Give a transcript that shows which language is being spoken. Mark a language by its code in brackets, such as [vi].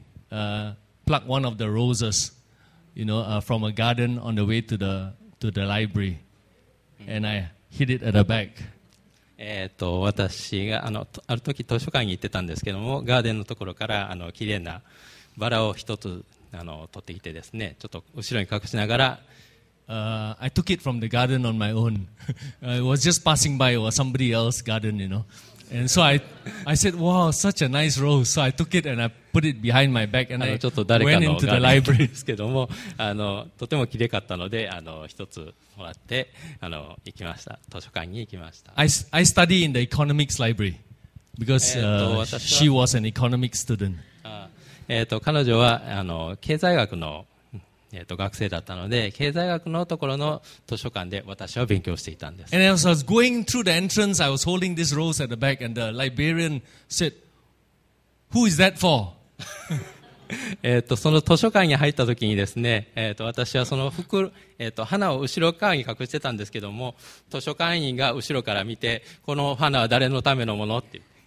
[en] I plucked one of the roses, you know, from a garden on the way to the library, and I hid it at the back. [ja] 私がある時図書館に行ってたんですけども、ガーデンのところから綺麗なバラを一つ取ってきてですね、ちょっと後ろに隠しながら。 [en] I took it from the garden on my own. I was just passing by or somebody else's garden, you know. And so I said, wow, such a nice rose. So I took it and I put it behind my back and I went into the library. [ja] ですけども、とても綺麗かったので、一つもらって、行きました。図書館に行きました。 [en] I study in the economics library because she was an economics student. [ja] 彼女は、経済学の、学生だったので、経済学のところの図書館で私は勉強していたんです。 [en] And as I was going through the entrance, I was holding this rose at the back, and the librarian said, "Who is that for?" [ja] その図書館に入った時にですね、私はその袋、花を後ろ側に隠してたんですけども、図書館員が後ろから見て、この花は誰のためのものって。